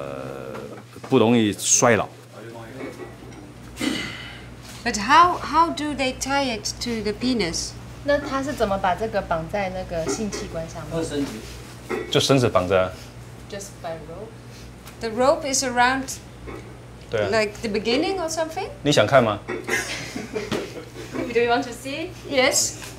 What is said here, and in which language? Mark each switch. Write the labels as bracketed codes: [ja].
[zh] 对，就是多面对那边的，不要躲在角落，看起来好像躲躲藏藏，好难看啊。传统的这种气功的练法，对四方压力都有帮助。要我们要的不只是性功能，而是你的精神体力都会更好。那抵抗力好，免疫力好，你就不容易腰酸背痛，不容易疲劳，不容易衰老。 [en] But how do they tie it to the penis? [zh] 那他是怎么把这个绑在那个性器官上面？就绳子绑着。 [en] Just by rope. The rope is around. [zh] 对啊。 [en] Like the beginning or something? [zh] 你想看吗？ [en] Do you want to see? Yes.